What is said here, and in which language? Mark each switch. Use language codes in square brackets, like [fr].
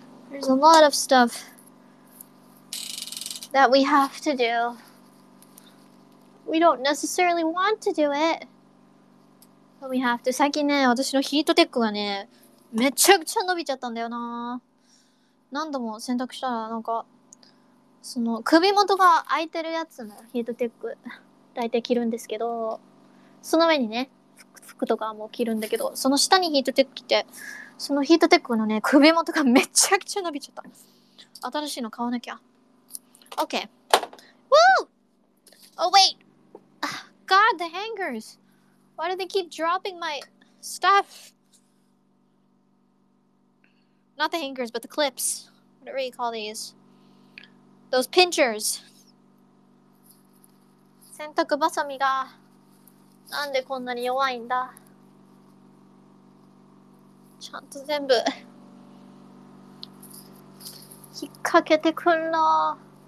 [en] There's a lot of stuff that we have to do. We don't necessarily want to do it. But we have to. [ja] 最近ね、私のヒートテックがね、めちゃくちゃ伸びちゃったんだよな。何度も洗濯したら、なんか、その、首元が空いてるやつのヒートテック、大体着るんですけど、その上にね、服とかも着るんだけど、その下にヒートテック着て、そのヒートテックのね、首元がめちゃくちゃ伸びちゃった。新しいの買わなきゃ。 [en] OK。 Woo! Oh, wait! God, the hangers! Why do they keep dropping my stuff? Not the hangers, but the clips. Whatever you call these. Those pinchers. [ja] 洗濯バサミがなんでこんなに弱いんだ。ちゃんと全部引っ掛けてくんな。